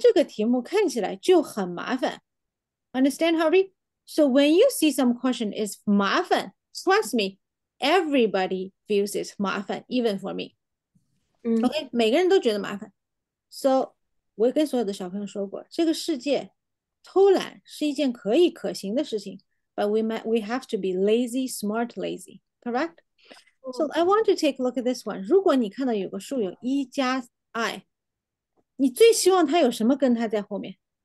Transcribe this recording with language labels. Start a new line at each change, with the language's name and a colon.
Chinese: 首先这个题目看起来就很麻烦.
English: Understand, Harvey? So when you see some question is 麻烦, trust me, everybody feels it's 麻烦, even for me. Mm.
Chinese: Okay, 每个人都觉得麻烦.So, 我跟所有的小朋友说过，这个世界偷懒是一件可以可行的事情,
English: but we have to be lazy, smart lazy, correct?
Chinese: Mm.
English: So I want to take a look at this one.
Chinese: 如果你看到有个数有一加i, 你最希望它有什么跟它在后面?